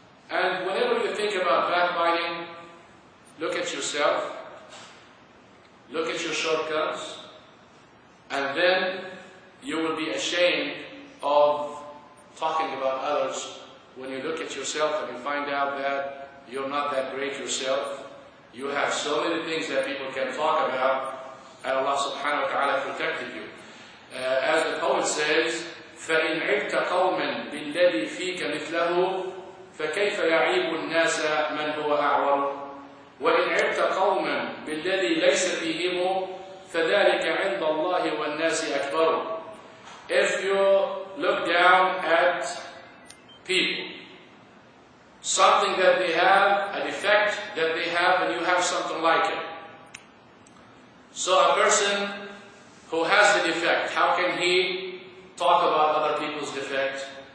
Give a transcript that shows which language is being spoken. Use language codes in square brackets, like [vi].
[en] And whenever you think about backbiting, look at yourself, look at your shortcuts, and then you will be ashamed of talking about others when you look at yourself and you find out that you're not that great yourself. You have so many things that people can talk about, and Allah subhanahu wa ta'ala protected you. As the poet says, [ar] فَإِنْ عِبْتَ قَوْمًا بِالَّذِي فِيكَ مِثْلَهُ فَكَيْفَ يَعِيبُ النَّاسَ مَنْ هُوَ أَعْوَرُ وَإِنْ عِبْتَ قَوْمًا بِالَّذِي لَيْسَ فِيهِمُ فَذَلِكَ عِنْدَ اللَّهِ وَالنَّاسِ أَكْبَرُ. [en] If you look down at people, something that they have, a defect that they have, and you have something like it. So a person who has the defect, how can he talk about other people's defect?